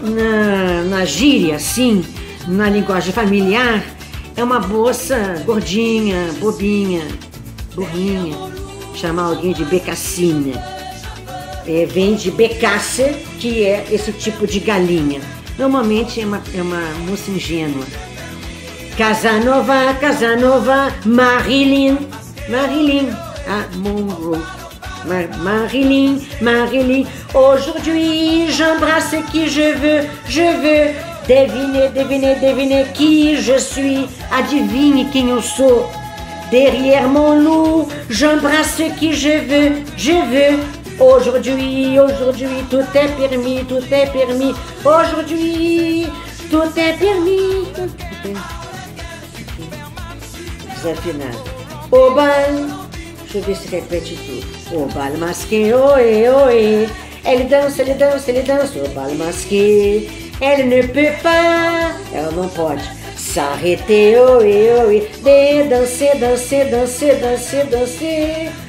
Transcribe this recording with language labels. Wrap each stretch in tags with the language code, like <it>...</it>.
<pt>Na gíria, sim, na linguagem familiar, é uma moça gordinha, bobinha, burrinha. Chamar alguém de becassine. É, vem de becasse, que é esse tipo de galinha. Normalmente é uma moça ingênua.</pt> <fr>Casanova, Casanova, Marilyn, Marilyn, ah, Monroe, Marilyn, Marilyn, aujourd'hui j'embrasse qui je veux, devinez, devinez, devinez qui je suis,</fr> <pt>adivinhe quem eu sou,</pt> <fr>derrière mon loup, j'embrasse qui je veux, aujourd'hui, aujourd'hui, tout est permis, aujourd'hui, tout est permis.</fr> <pt>Afinado. O bal, deixa eu ver se repete tudo. O bal masqué, oé, oé. Ele dança, ele dança, ele dança.</pt> <fr>O bal masqué. Elle ne peut pas.</fr> <pt>Ela não pode.</pt> <fr>S'arrêter, oé, oé. De danser, danser, danser, danser, danser.</fr>